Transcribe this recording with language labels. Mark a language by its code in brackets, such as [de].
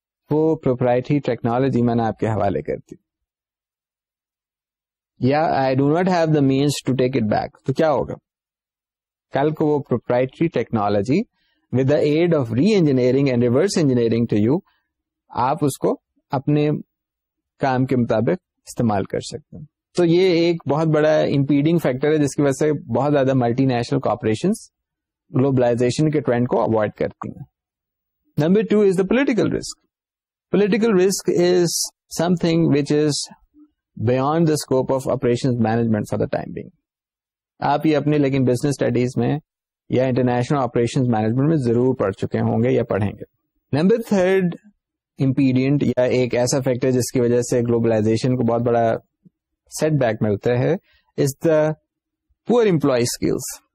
[ur] وہ proprietary technology میں نے آپ کے حوالے کر دی, [en] یا I do not have the means to take it back, [ur] تو کیا ہوگا؟ کل کو وہ proprietary technology [en] with the aid of re engineering and reverse engineering to you, [ur] آپ اس کو اپنے کام کے مطابق استعمال کر سکتے ہیں. تو یہ ایک بہت بڑا امپیڈنگ فیکٹر ہے جس کی وجہ سے بہت زیادہ ملٹی نیشنل کارپوریشنز گلوبلائزیشن کے ٹرینڈ کو اوائڈ کرتی ہیں. [en] Number two is the political risk. Political risk is something which is beyond the scope of operation management for the time being. [ur] آپ یہ اپنے لیکن بزنس اسٹڈیز میں یا انٹرنیشنل آپریشن مینجمنٹ میں ضرور پڑھ چکے ہوں گے یا پڑھیں گے. نمبر تھرڈ امپیڈینٹ یا ایک ایسا فیکٹر جس کی وجہ سے گلوبلائزیشن کو بہت بڑا سیٹ بیک ملتا ہے [en] Is the poor employee skills.